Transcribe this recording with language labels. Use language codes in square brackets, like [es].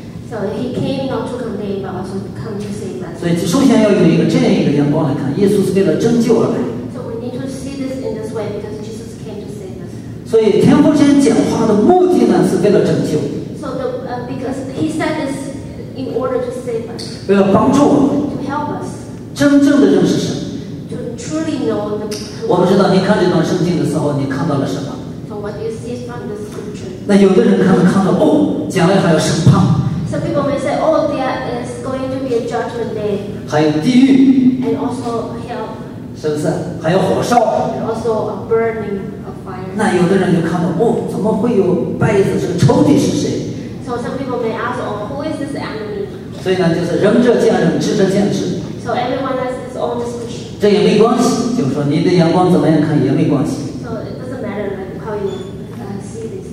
[en] So he came not to condemn, but also come to save us. [zh] 所以首先要有一个这样一个眼光来看，耶稣是为了拯救而来。 [en] So we need to see this in this way because Jesus came to save us. [zh] 所以天父先讲话的目的呢，是为了拯救。 [en] So the because he said this in order to save us. [zh] 为了帮助我们。 [en] To help us. [zh] 真正的认识神。 [en] To truly know the. [zh] 我不知道你看这段圣经的时候，你看到了什么 [en] ？So what you see from the scripture. [zh] 那有的人可能看到哦，将来还要审判。 [en] Some people may say, "Oh, there is going to be a judgment day." [zh] 还有地狱 [en] and also hell. [zh] 是不是？还有火烧 [en] and also a burning of fire. [zh] 那有的人就看到，哦，怎么会有败子？这个仇敌是谁 [en] ？So some people may ask, "Oh, who is this enemy?" [zh] 所以呢，就是仁者见仁，智者见智。 [en] So everyone has his own discretion. [zh] 这也没关系，就是说你的眼光怎么样看也没关系。 [en] So it doesn't matter like how you see this.